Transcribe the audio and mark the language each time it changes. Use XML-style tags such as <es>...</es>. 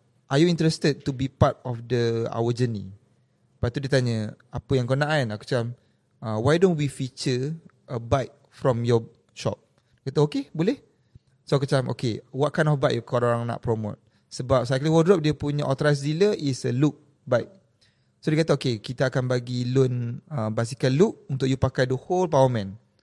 <en>Are you interested to be part of the our journey?"</en> <ms>Lepas tu dia tanya, "Apa yang kau nak kan?" Aku cakap,</ms> <en>"Why don't we feature a bike from your shop?"</en> <ms>Dia kata,</ms> <en>"Okay,</en> <ms>boleh."</ms> <en>So</en> <ms>aku cakap,</ms> <en>"Okay, what kind of bike you</en> <ms>korang nak</ms> <en>promote?"</en> <ms>Sebab</ms> <en>Cycling Wardrobe</en> <ms>dia punya</ms> <en>authorized dealer is a Luke bike.</en> <ms>So dia kata, "Okay, kita akan bagi loan basikal Luke untuk you pakai</ms> <en>the whole</en> <ms>Power Man.</ms>